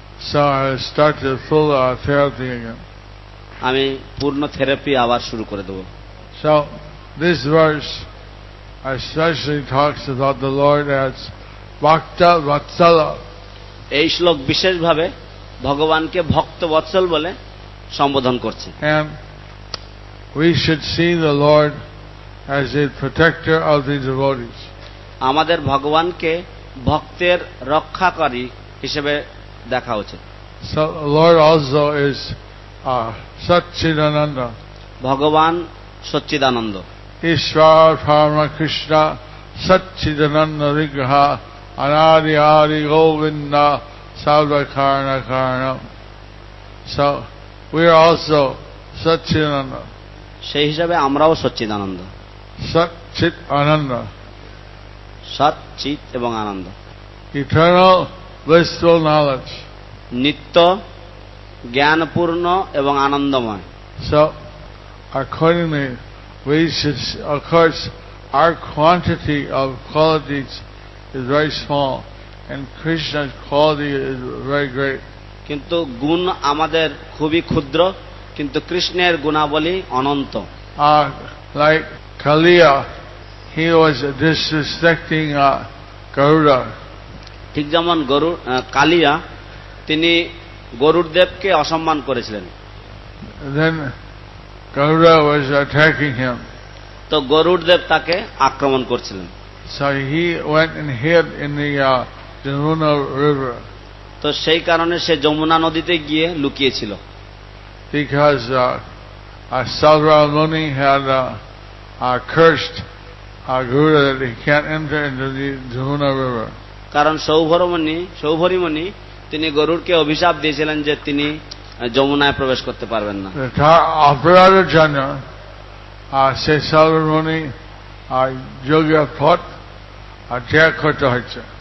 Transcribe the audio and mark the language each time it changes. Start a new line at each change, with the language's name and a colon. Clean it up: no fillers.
English: So I start the full therapy again.
Bangla: আমি পূর্ণ therapy আবার শুরু করে দেব।
English: So this verse especially talks about the Lord as Bhakta Vatsala.
Bangla: এই শ্লোক বিশেষভাবে ভগবানকে ভক্ত বৎসল বলে সম্বোধন করছে।
English: And we should see the Lord as a protector of the devotees.
Bangla: আমাদের ভগবানকে ভক্তের রক্ষাকারী হিসেবে দেখা উচিত।
English: So the Lord also is Satchidananda.
Bangla: ভগবান সচ্চিদানন্দ।
Sanskrit: ঈশ্বর পরমকৃষ্ণ সচ্চিদানন্দ বিগ্রহ অনাদি আদি গোবিন্দ সর্বকারণ কারণ।
English: So we are also Satchidananda.
Bangla: সেই হিসাবে আমরাও সচ্চিদানন্দ। সচ্চিত আনন্দ। সচ্চিত এবং আনন্দ।
English: Eternal blissful knowledge.
Bangla: নিত্য জ্ঞানপূর্ণ এবং আনন্দময়।
English: So accordingly we should, of course our quantity of qualities is very small and Krishna's quality is very great.
Bangla: কিন্তু গুণ আমাদের খুবই ক্ষুদ্র কিন্তু কৃষ্ণের গুণাবলী অনন্ত।
English: Like Kaliya, he was disrespecting Garuda.
Bangla: ঠিক যেমন কালিয়া তিনি গরুড়দেবকে অসম্মান করেছিলেন।
English: Then Garuda was attacking him.
Bangla: তো গরুড়দেব তাকে আক্রমণ করছিলেন।
English: So he went and hid in the Jamuna river.
Bangla: তো সেই কারণে সে যমুনা নদীতে গিয়ে লুকিয়েছিল।
English: Because Asura Muni had cursed Garuda that he can't enter into the Jamuna river.
Bangla: কারণ সৌভরিমণি তিনি গরুড়কে অভিশাপ দিয়েছিলেন যে তিনি যমুনায় প্রবেশ করতে পারবেন না। অপরাধের জন্য সে সৌভরিমণি যোগ্য ফট ত্যাগ করতে হয়েছে।